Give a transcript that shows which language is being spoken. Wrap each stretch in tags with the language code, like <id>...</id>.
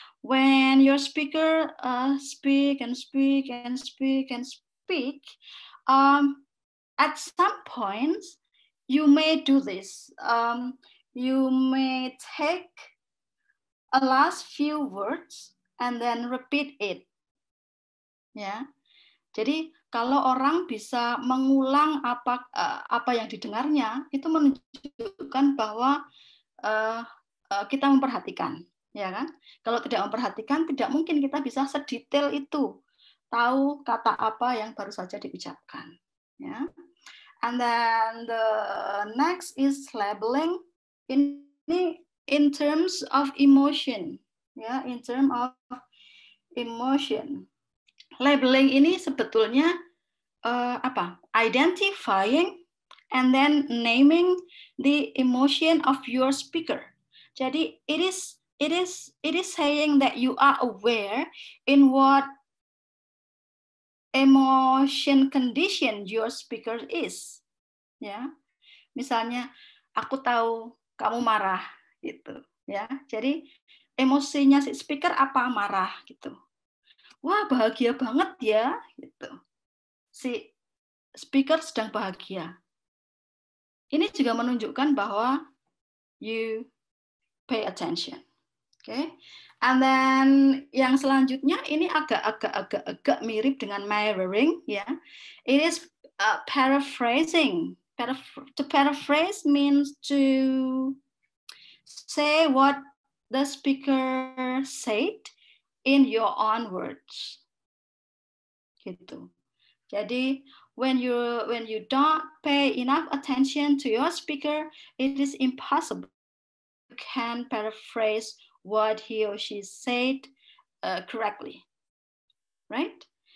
<en>When your speaker speak, at some point you may do this. You may take a last few words and then repeat it. Yeah.</en> <id>Jadi kalau orang bisa mengulang apa yang didengarnya, itu menunjukkan bahwa kita memperhatikan, ya kan? Kalau tidak memperhatikan, tidak mungkin kita bisa sedetail itu tahu kata apa yang baru saja diucapkan, ya.</id> <en>And then the next is labeling. Ini in terms of emotion, ya, in terms of emotion. Labeling</en> <id>ini sebetulnya</id> <en>identifying and then naming the emotion of your speaker. Jadi it is saying that you are aware in what emotion condition your speaker is.</en> <id>Ya. Misalnya aku tahu kamu marah gitu, ya. Jadi emosinya si speaker apa? Marah gitu. Wah, bahagia banget ya gitu. Si speaker sedang bahagia. Ini juga menunjukkan bahwa</id> <en>you pay attention.</en> <id>Oke. Okay.</id> <en>And then</en> <id>yang selanjutnya ini agak mirip dengan mirroring, ya.</id> <en>Yeah. It is paraphrasing. To paraphrase means to say what the speaker said in your own words. Gitu. Jadi when you don't pay enough attention to your speaker, it is impossible you can paraphrase what he or she said correctly, right?</en>